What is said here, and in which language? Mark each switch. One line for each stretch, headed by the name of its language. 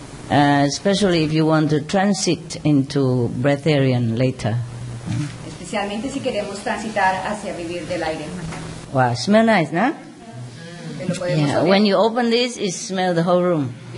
English: Especially if you want to transit into breatharian later.
Spanish: Especialmente si queremos transitar hacia vivir del aire.
English: Wow, smell nice, no? Yeah. When you open this, it smells the whole room.